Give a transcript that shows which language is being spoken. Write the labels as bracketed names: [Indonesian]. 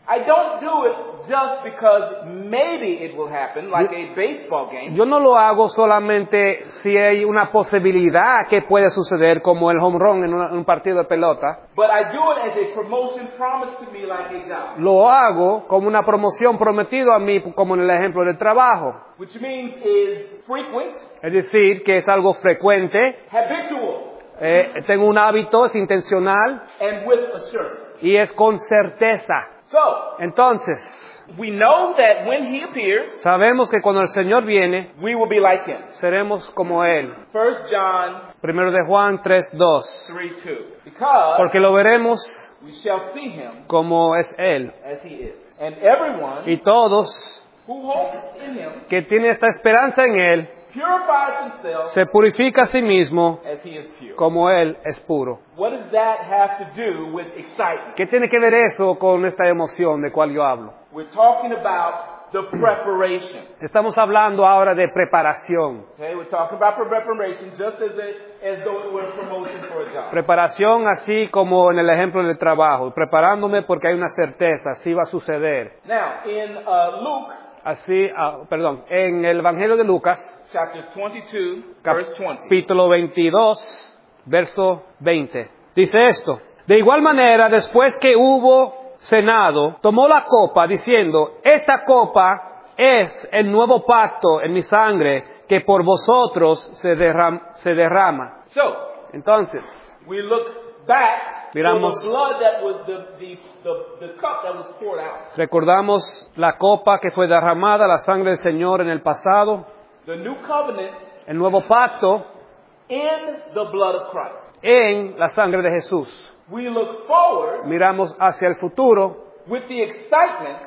[English] I don't do it just because maybe it will happen, like a baseball game. [Spanish] Yo no lo hago solamente si hay una posibilidad que puede suceder, como el home run en un partido de pelota. [English] But I do it as a promotion promised to me, like a job. [Spanish] Lo hago como una promoción prometido a mí, como en el ejemplo del trabajo. [English] Which means is frequent. [Spanish] Es decir, que es algo frecuente. [English] Habitual. [Spanish] Tengo un hábito, es intencional. [English] And with assurance. [Spanish] Y es con certeza. [English] So, [Spanish] entonces, [English] we know that when he appears, [Spanish] sabemos que cuando el Señor viene, [English] we will be like him. [Spanish] Seremos como él. [English] 1 John, [Spanish] primero de Juan 3:2. Porque lo veremos, [English] we shall see him [Spanish] como es él. [English] As he is. And everyone, [Spanish] y todos, [English] who hopes in him, [Spanish] que tiene esta esperanza en él, [English] purifies himself, [Spanish] se purifica a sí mismo, [English] as he is pure. [Spanish] Como él es puro. [English] What does that have to do with excitement? [Spanish] ¿Qué tiene que ver eso con esta emoción de cual yo hablo? [English] We're talking about the preparation. [Spanish] Estamos hablando ahora de preparación. [English] Okay, we're talking about preparation just as though it was promotion for a job. [Spanish] Preparación así como en el ejemplo del trabajo, preparándome porque hay una certeza, así va a suceder. [English] Now, in Luke, [Spanish] así, perdón, en el Evangelio de Lucas, [English] chapter 22, verse 20. [Spanish] Capítulo 22, verso 20. Dice esto: de igual manera, después que hubo cenado, tomó la copa diciendo: esta copa es el nuevo pacto en mi sangre que por vosotros se derrama. [English] So, [Spanish] entonces, [English] we look back, [Spanish] miramos, [English] the blood that was the cup that was poured out. [Spanish] Recordamos la copa que fue derramada, la sangre del Señor en el pasado. [English] The new covenant, [Spanish] el nuevo pacto, [English] in the blood of Christ, [Spanish] en la sangre de Jesús. [English] We look forward, [Spanish] miramos hacia el futuro, [English] with the excitement,